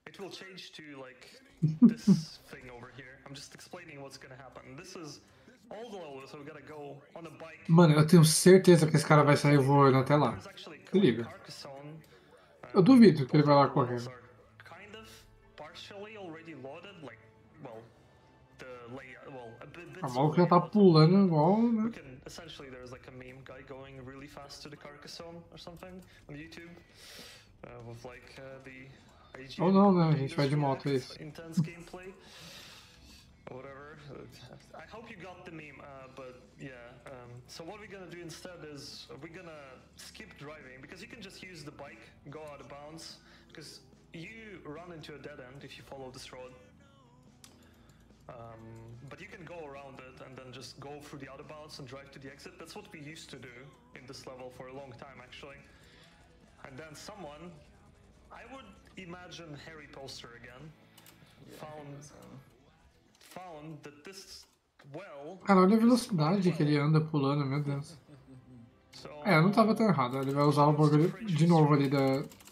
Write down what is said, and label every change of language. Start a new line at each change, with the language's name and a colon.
English: It will change to like this thing over here. I'm just explaining what's gonna happen. This is all the level, so we gotta go on a bike.
Portuguese: Mano, eu tenho certeza que esse cara vai sair voando até lá. Se liga. Eu duvido que ele vai lá correndo.
English: Kind of partially already loaded, like, well, the layout, well, a bit.
Portuguese: O maluco já tá pulando igual, né?
English: Essentially, there's like a meme guy going really fast to the Carcassonne or something on YouTube with like the AGDQ2022.
Portuguese: Oh no, no, a gente vai de moto, é isso.
English: Intense gameplay. Whatever. I hope you got the meme, but yeah. So what we're gonna do instead is we're gonna skip driving because you can just use the bike, go out of bounds, because you run into a dead end if you follow this road. But you can go around it and then just go through the outer bounds and drive to the exit. That's what we used to do in this level for a long time, actually. And then someone, I would imagine Harry Poster again, found that this well...
Portuguese: Cara, olha a velocidade que ele anda pulando, meu Deus. É, eu não tava tão errado. Ele vai usar o bagulho de novo ali da...